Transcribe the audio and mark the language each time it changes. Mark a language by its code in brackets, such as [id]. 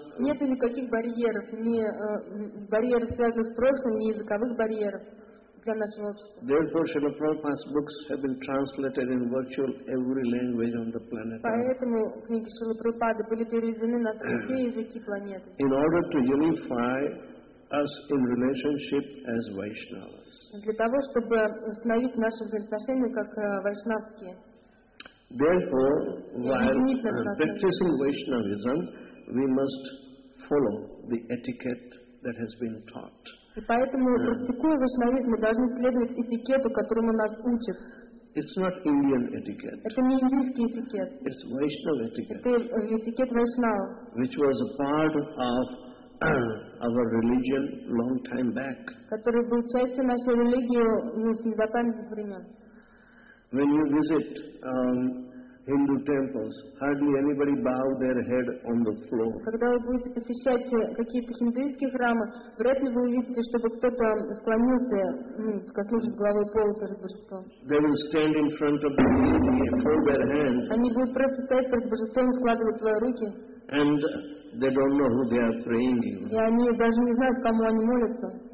[ru] нет никаких барьеров, ни барьеров, связанных с прошлым, ни языковых барьеров. [en] Therefore, Srila Prabhupada's books have been translated in virtual every language on the planet. [ru] Поэтому книги Шрилы Прабхупады были переведены на все языки планеты. [en] In order to unify us in relationship as Vaishnavas. [ru] Для того чтобы установить наши взаимоотношения как вайшнавские. [en] Therefore, while practicing Vaishnavism, we must follow the etiquette that has been taught. [ru] И поэтому, практикуя вайшнавизм, мы должны следовать этикету, которому нас учат. [en] It's not Indian etiquette. [ru] Это не индийский этикет. [en] It's Vaishnava etiquette. [ru] Это этикет вайшнава. [en] Which was a part of our religion long time back. [ru] Который был частью нашей религии с незапамятных времен. [en] When you visit Hindu temples, hardly anybody bow their head on the floor. [ru] Когда вы будете посещать какие-то хиндуистские храмы, вряд ли вы увидите, чтобы кто-то склонился, коснулся головой пола перед божеством. [en] They will stand in front of the deity and fold their hands. [ru] Они будут просто стоять перед божеством, складывать свои руки. [en] And they don't know who they are praying to. [ru] И они даже не знают, кому они молятся.